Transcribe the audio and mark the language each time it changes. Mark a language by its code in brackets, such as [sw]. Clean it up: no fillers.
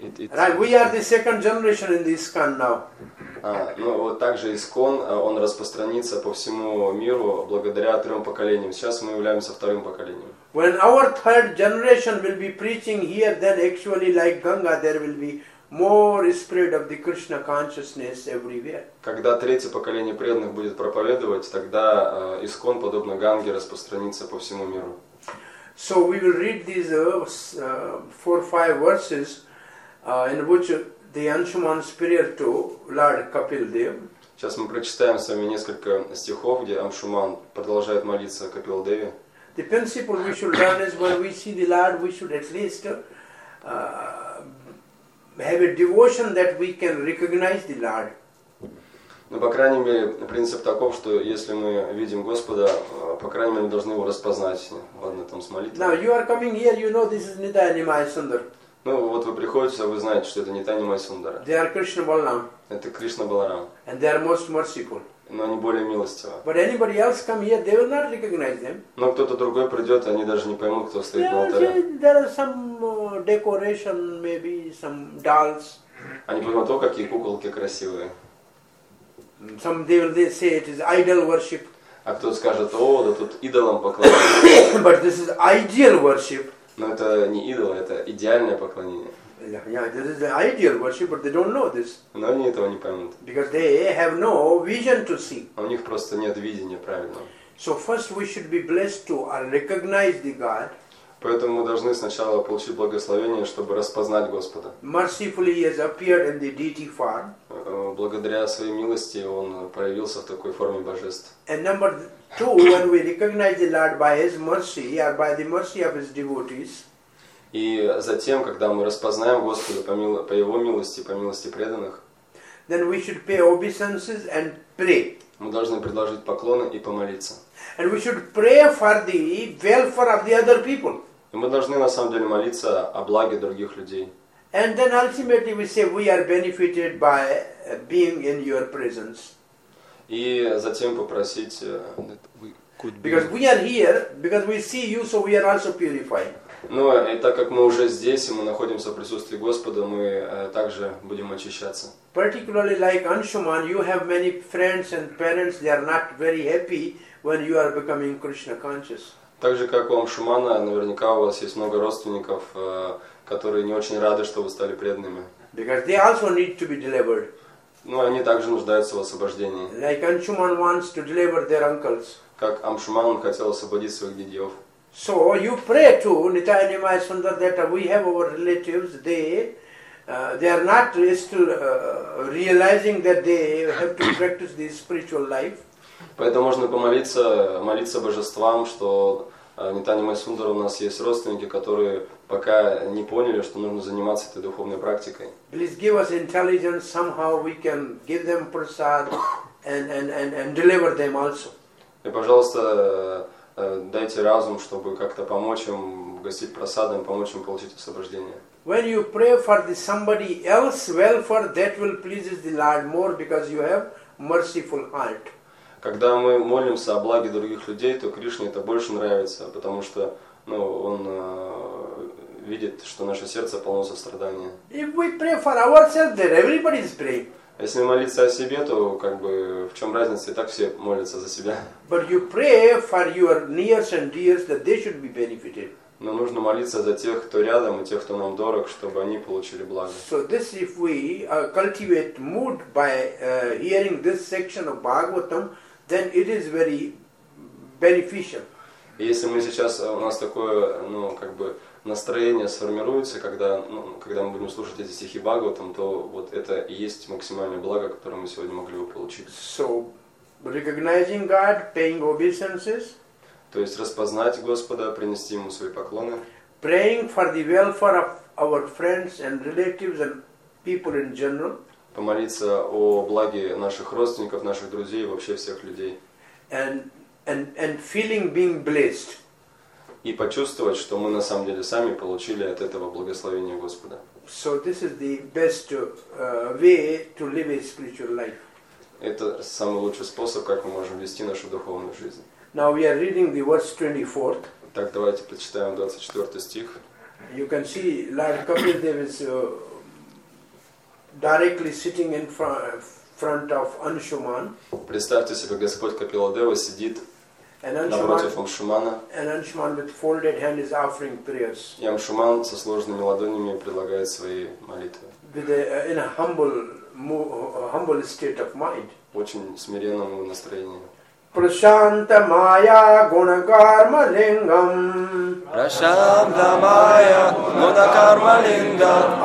[en] Right, we are the second generation in the ISKCON now. [ru] Ну вот также ISKCON он распространится по всему миру благодаря трем поколениям. Сейчас мы являемся вторым поколением. [en] When our third generation will be preaching here, then actually like Ganga, there will be more spread of the Krishna consciousness everywhere. [ru] Когда третье поколение преданных будет проповедовать, тогда ИСККОН подобно Ганге распространится по всему миру. [en] So we will read these four or five verses in which the Anshuman spirit to Lord Kapil Dev. [ru] Сейчас мы прочитаем с вами несколько стихов, где Амшуман продолжает молиться Капил Деве. [en] The principle we should learn is when we see the Lord, we should at least have a devotion that we can recognize the Lord. [ru] Ну, по крайней мере, принцип таков, что если мы видим Господа, по крайней мере, мы должны его распознать. Ладно, там с молитвой. [en] Now, you are coming here, you know this is Nitai Maisundar. [ru] Ну, вот вы приходите, а вы знаете, что это Nitai Maisundar. [en] They are Krishna Balaram. [ru] Это Кришна Баларам. [en] And they are most merciful. [ru] Но они более милостивы. [en] But anybody else come here, they will not recognize them. [ru] Но кто-то другой придет, они даже не поймут, кто стоит yeah, на алтаре. [en] There are some decoration, maybe some dolls. [ru] Они поймут, о, какие куколки красивые. [en] Some they will say it is idol worship. [ru] А кто скажет, о, да тут идолам поклоняются. [en] But this is ideal worship. [ru] Но это не идол, это идеальное поклонение. [en] Yeah, this is the ideal worship, but they don't know this. [ru] Но они этого не поймут. [en] Because they have no vision to see. [ru] У них просто нет видения правильного. [en] So first we should be blessed to recognize the God. [ru] Поэтому мы должны сначала получить благословение, чтобы распознать Господа. [en] Mercifully he has appeared in the deity form. [ru] Благодаря своей милости он проявился в такой форме божеств. [en] And number two, when we recognize the Lord by his mercy or by the mercy of his devotees. [ru] И затем, когда мы распознаем Господа по Его милости, по милости преданных, [en] then we should pay obeisances and pray. [ru] Мы должны предложить поклоны и помолиться. [en] And we should pray for the welfare of the other people. [ru] И мы должны на самом деле молиться о благе других людей. [en] And then ultimately we say we are benefited by being in your presence. [ru] И затем попросить, [en] that we could be... because we are here, because we see you, so we are also purified. [ru] Ну, и так как мы уже здесь, и мы находимся в присутствии Господа, мы также будем очищаться. [en] Particularly like Anshuman, you have many friends and parents, they are not very happy when you are becoming Krishna conscious. [ru] Так же, как у Амшумана, наверняка у вас есть много родственников, которые не очень рады, что вы стали преданными. [en] Because they also need to be delivered. [ru] Ну, они также нуждаются в освобождении. [en] Like Anshuman wants to deliver their uncles. [ru] Как Амшуман хотел освободить своих дедьев. [en] So you pray to Nitai Nimai Sundar that we have our relatives, they they are not still realizing that they have to practice this spiritual life. [ru] Поэтому можно помолиться, молиться божествам, что Нитанимай Сундара, у нас есть родственники, которые пока не поняли, что нужно заниматься этой духовной практикой. [en] Please give us intelligence, somehow we can give them prasad and deliver them also. [ru] И, пожалуйста, дайте разум, чтобы как-то помочь им гостить просадом, помочь им получить освобождение. [en] When you pray for the somebody else's welfare, that will please the Lord more because you have merciful heart. [ru] Когда мы молимся о благе других людей, то Кришне это больше нравится, потому что, ну, он видит, что наше сердце полно сострадания. [en] If we pray for ourselves, then everybody is praying. [ru] Если молиться о себе, то как бы в чем разница? И так все молятся за себя. [en] But you pray for your nears and dears that they should be benefited. [ru] Но нужно молиться за тех, кто рядом, и тех, кто нам дорог, чтобы они получили благо. [en] So this, if we cultivate mood by hearing this section of Bhagavatam, then it is very beneficial. [ru] И если мы сейчас у нас такое, ну как бы настроение сформируется, когда, ну, когда мы будем слушать эти стихи Бхагаватам, то вот это и есть максимальное благо, которое мы сегодня могли бы получить. [en] So, recognizing God, paying obeisances. [ru] То есть распознать Господа, принести ему свои поклоны. [en] Praying for the welfare of our friends and relatives and people in general. [ru] Помолиться о благе наших родственников, наших друзей, вообще всех людей. [en] And feeling being blessed. [ru] И почувствовать, что мы на самом деле сами получили от этого благословение Господа. [en] So this is the best way to live a spiritual life. [ru] Это самый лучший способ, как мы можем вести нашу духовную жизнь. [en] Now we are reading the verse 24. [ru] Так, давайте прочитаем 24 стих. [en] You can see Lord Kapiladeva is directly sitting in front of Anshuman. [ru] Представьте себе, Господь Капиладева сидит напротив Амшумана. [en] And Anshuman with folded hand is offering prayers. [ru] И Амшуман со сложными ладонями предлагает свои молитвы. [en] In a humble state of mind. [ru] В очень смиренном настроении. [sa] Prashanta Maya Guna Karma Lingam. Prashanta Maya Guna Karma Lingam.